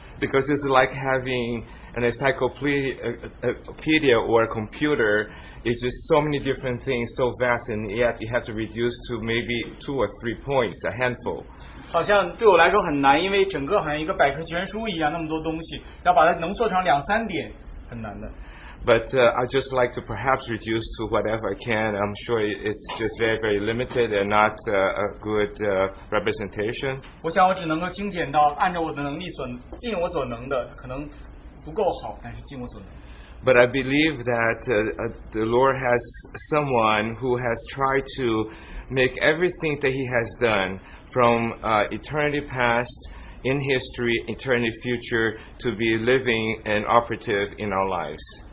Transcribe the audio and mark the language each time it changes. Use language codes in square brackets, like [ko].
[en] Because it's like having an encyclopedia or a computer, it's just so many different things, so vast, and yet you have to reduce to maybe two or three points, a handful. [zh] 好像对我来说很难，因为整个好像一个百科全书一样，那么多东西，要把它浓缩成两三点，很难的。 [en] But I just like to perhaps reduce to whatever I can. I'm sure it's just very, very limited and not a good representation. [zh] 我想我只能够精简到按照我的能力所尽我所能的，可能不够好，但是尽我所能。 [en] But I believe that the Lord has someone who has tried to make everything that He has done from eternity past, in history, eternity future, to be living and operative in our lives.